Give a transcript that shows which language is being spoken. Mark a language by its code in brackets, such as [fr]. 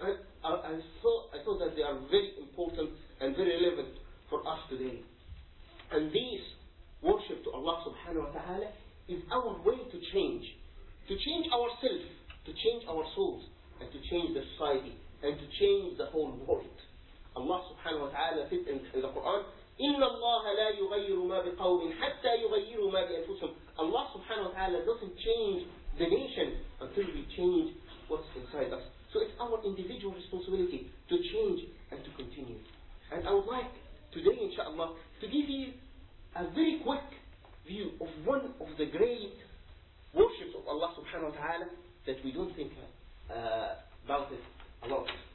[en] I thought that they are very important and very relevant for us today. And this worship to Allah subhanahu wa ta'ala is our way to change ourselves, to change our souls. and to change the society and to change the whole world. Allah subhanahu wa ta'ala said in the Quran, [ar] إِنَّ اللَّهَ لَا يُغَيِّرُ مَا بِقَوْمٍ حَتَّى يُغَيِّرُ مَا بِأَنفُسِهِمْ. [en] Allah subhanahu wa ta'ala doesn't change the nation until we change what's inside us. So it's our individual responsibility to change and to continue. And I would like today, inshaAllah, to give you a very quick view of one of the great worships of Allah subhanahu wa ta'ala that we don't think about it a lot.